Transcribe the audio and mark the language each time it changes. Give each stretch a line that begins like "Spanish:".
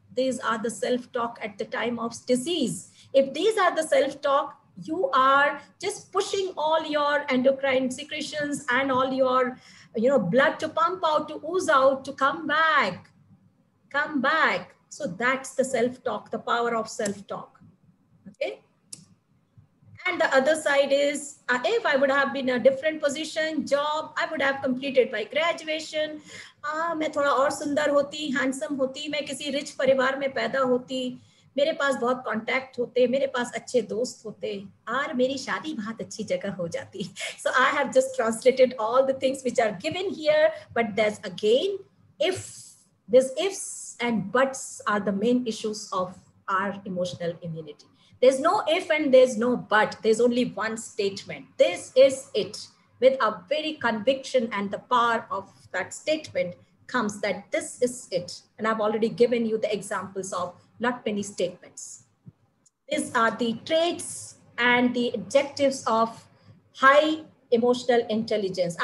English: These are the self-talk at the time of disease. If these are the self-talk, you are just pushing all your endocrine secretions and all your, you know, blood to pump out, to ooze out, to come back. So that's the self-talk, the power of self-talk. Okay. And the other side is, if I would have been a different position, job, I would have completed my graduation.
Hindi: Main thoda aur sundar hoti, handsome hoti, main kisi rich parivar mein paida hoti. मेरे पास बहुत contact होते, मेरे पास अच्छे दोस्त होते और मेरी शादी बहुत अच्छी जगह हो जाती.
English: So I have just translated all the things which are given here, but there's again if, this ifs and buts are the main issues of our emotional immunity. There is no if and there is no but, there is only one statement, this is it. With a very conviction and the power of that statement comes that this is it. And I've already given you the examples of not many statements. These are the traits and the adjectives of high emotional intelligence.